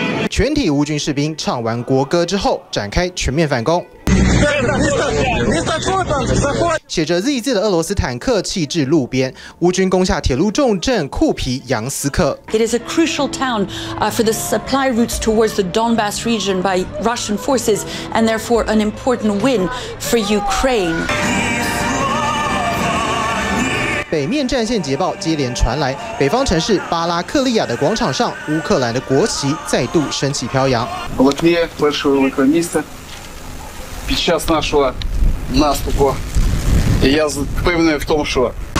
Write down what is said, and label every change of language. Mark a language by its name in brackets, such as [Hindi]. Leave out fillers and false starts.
[Chinese] 全体乌军士兵唱完国歌之后，展开全面反攻。写着 Z 字的俄罗斯坦克弃置路边，乌军攻下铁路重镇库皮扬斯克。 [English] It is a crucial town for the supply routes towards the Donbas region by Russian forces, and therefore an important win for Ukraine. [Chinese] 北面战线捷报接连传来，北方城市巴拉克利亚的广场上，乌克兰的国旗再度升起飘扬。 [Ukrainian] під час нашого наступу. І я впевнений в тому, що...